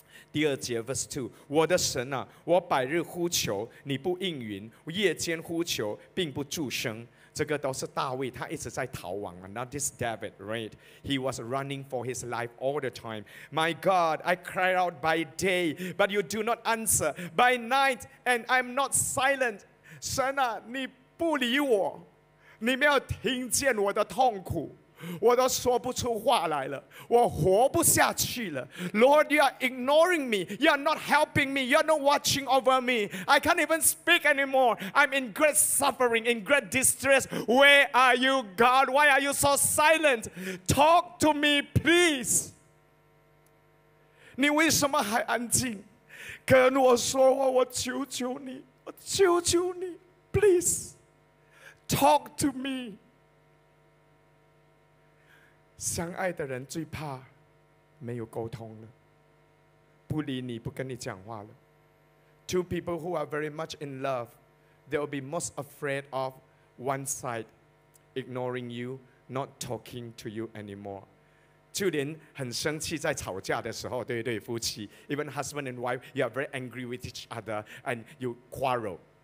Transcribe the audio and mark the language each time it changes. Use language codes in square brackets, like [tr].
[zh] 第二节 verse 2我的神啊我百日呼求你不应允夜间呼求并不住声这个都是大卫他一直在逃亡 [en] Not this David, right? He was running for his life all the time. My God, I cry out by day, but you do not answer. By night, and I'm not silent. [zh] 神啊，你不理我，你没有听见我的痛苦，我都说不出话来了，我活不下去了。 [en] Lord, you are ignoring me. You are not helping me. You are not watching over me. I can't even speak anymore. I'm in great suffering, in great distress. Where are you, God? Why are you so silent? Talk to me, please. [zh] 你为什么还安静？跟我说话，我求求你，我求求你 ，please. Talk to me. 相爱的人最怕没有沟通了，不理你，不跟你讲话了。 [en] Two people who are very much in love, they'll be most afraid of one side ignoring you, not talking to you anymore. [zh] 就连很生气在吵架的时候，对对夫妻 [en] ，even husband and wife, you are very angry with each other and you quarrel.